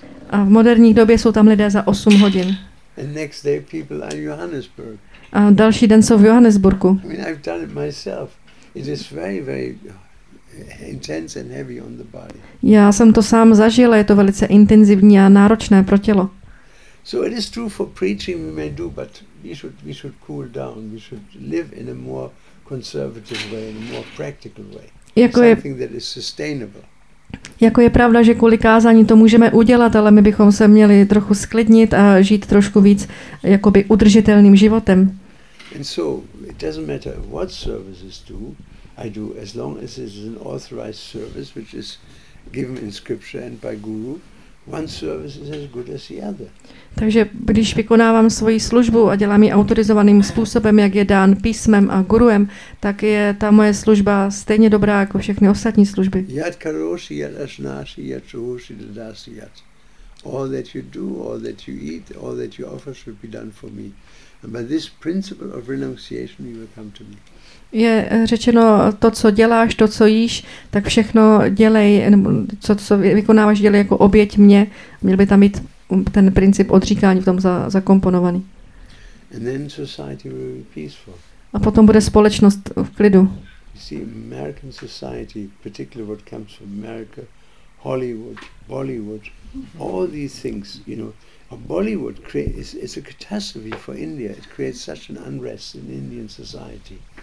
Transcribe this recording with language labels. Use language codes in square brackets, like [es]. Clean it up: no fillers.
[cs] A v moderní době jsou tam lidé za 8 hodin. [en] And next day people are in Johannesburg. [cs] A další den jsou v Johannesburgu. [en] I mean, I've done it myself. It is very, very intense and heavy on the body. [cs] Já jsem to sám zažil, je to velice intenzivní a náročné pro tělo. [en] So it is true for preaching we may do, but we should cool down. We should live in a more conservative way, in a more practical way. Something that is sustainable. [cs] Jako je pravda, že kvůli kázání to můžeme udělat, ale my bychom se měli trochu sklidnit a žít trošku víc jakoby udržitelným životem. [en] And so it doesn't matter what services do, I do as long as it is an authorized service which is given in scripture and by guru. One service is as good as the other. [cs] Takže když vykonávám svoji službu a dělám ji autorizovaným způsobem, jak je dán písmem a guruem, tak je ta moje služba stejně dobrá jako všechny ostatní služby. [sa] Yad karoshi, yad ashnashi, yad shuhushi, yad dasi, yad. [en] All that you do, all that you eat, all that you offer should be done for me. And by this principle of renunciation you will come to me. [cs] Je řečeno, to, co děláš, to, co jíš, tak všechno dělej, nebo co vykonáváš, dělej jako oběť mě. Měl by tam být ten princip odříkání v tom zakomponovaný. [en] And then society will be peaceful. [cs] A potom bude společnost v klidu. [en] You see, American society, particularly what comes from America, Hollywood, Bollywood, all these things, you know, Bollywood is a catastrophe for India. It creates such an unrest in Indian society.